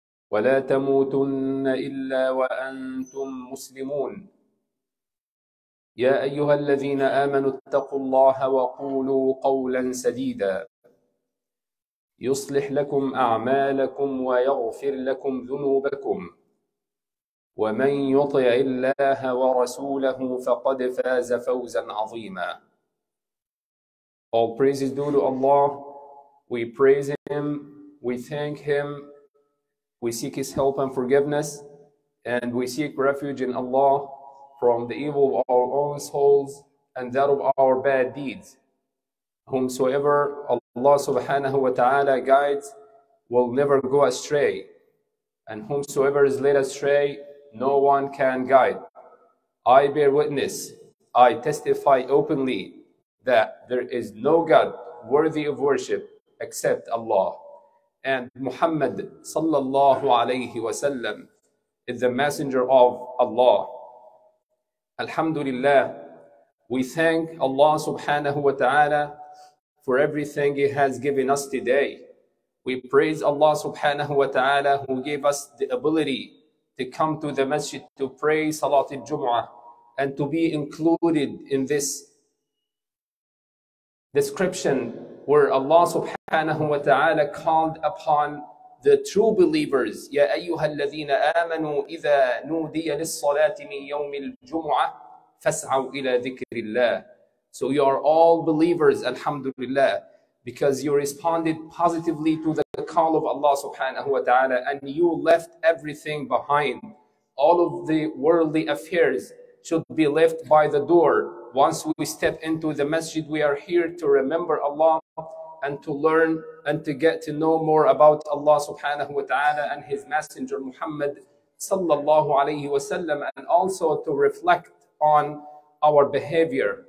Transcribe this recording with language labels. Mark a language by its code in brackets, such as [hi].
[ar] ولا تموتن إلا وأنتم مسلمون يا أيها الذين آمنوا اتقوا الله وقولوا قولًا سديدًا يصلح لكم أعمالكم ويغفر لكم ذنوبكم ومن يطع الله ورسوله فقد فاز فوزا عظيما. [en] All praises due to Allah. We praise Him, we thank Him, we seek His help and forgiveness, and we seek refuge in Allah from the evil of our own souls and that of our bad deeds. Whomsoever Allah subhanahu wa ta'ala guides will never go astray, and whomsoever is led astray, no one can guide. I bear witness, I testify openly that there is no God worthy of worship except Allah. And Muhammad sallallahu alayhi wa sallam is the messenger of Allah. Alhamdulillah, we thank Allah subhanahu wa ta'ala for everything He has given us today. We praise Allah subhanahu wa ta'ala who gave us the ability to come to the masjid to pray Salat al-Jum'ah and to be included in this description where Allah subhanahu wa ta'ala called upon the true believers, [ar] يَا أَيُّهَا الَّذِينَ آمَنُوا إِذَا نُودِيَ لِلصَّلَاةِ مِنْ يَوْمِ الْجُمُعَةِ فَاسْعَوْا إِلَى ذِكْرِ اللَّهِ. [en] So you are all believers, alhamdulillah, because you responded positively to the call of Allah subhanahu wa ta'ala and you left everything behind. All of the worldly affairs should be left by the door. Once we step into the masjid, we are here to remember Allah and to learn and to get to know more about Allah subhanahu wa ta'ala and His Messenger Muhammad sallallahu alayhi wa sallam, and also to reflect on our behavior.